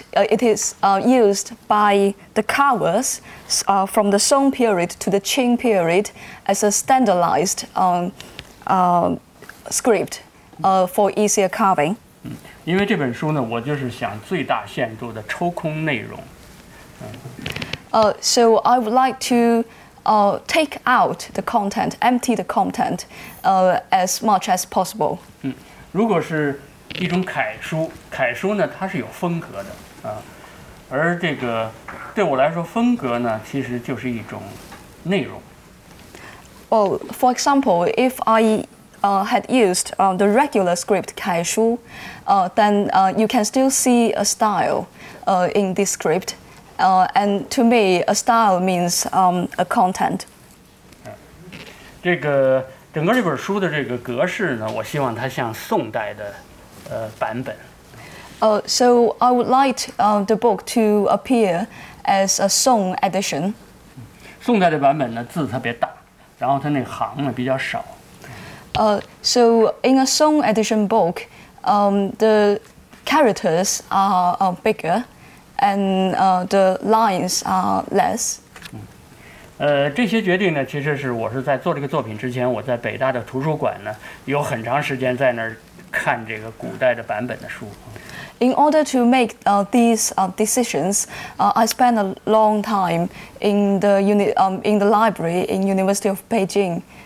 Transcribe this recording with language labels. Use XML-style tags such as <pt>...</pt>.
<en>It is used by the carvers from the Song period to the Qing period as a standardized script. For easier carving.</en> <zh>因为这本书呢，我就是想最大限度地抽空内容。</zh> <en>So I would like to take out the content, empty the content, as much as possible.</en> <zh>如果是一种楷书，楷书呢，它是有风格的啊，而这个对我来说，风格呢，其实就是一种内容。</zh> <en>Well, for example, if I had used the regular script 楷书 then you can still see a style in this script. And to me, a style means a content.</en> <zh>这个整个这本书的这个格式呢，我希望它像宋代的版本。</zh> <en>So I would like the book to appear as a Song edition.</en> <zh>宋代的版本呢，字特别大，然后它那行呢比较少。</zh> <en>So in a Song edition book, the characters are bigger, and the lines are less.</en> <zh>这些决定呢，其实是我是在做这个作品之前，我在北大的图书馆呢，有很长时间在那儿看这个古代的版本的书。</zh> <en>In order to make these decisions, I spent a long time in the library in University of Beijing.</en>